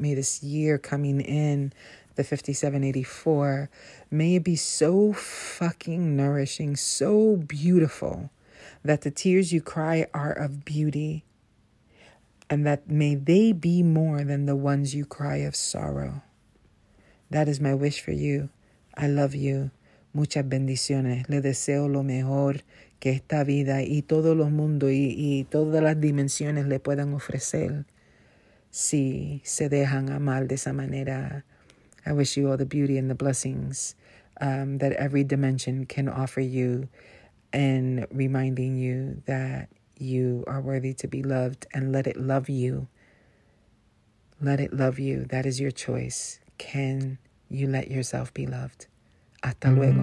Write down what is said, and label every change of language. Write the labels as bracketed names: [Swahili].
[English] May this year coming in, the 5784, may it be so fucking nourishing, so beautiful, that the tears you cry are of beauty. And that may they be more than the ones you cry of sorrow. That is my wish for you. I love you. [Spanish] Muchas bendiciones. Le deseo lo mejor que esta vida y todo el mundo y todas las dimensiones le puedan ofrecer si se dejan amar de esa manera. [English] I wish you all the beauty and the blessings that every dimension can offer you, and reminding you that you are worthy to be loved, and let it love you. Let it love you. That is your choice. Can you let yourself be loved? [Spanish] Hasta luego.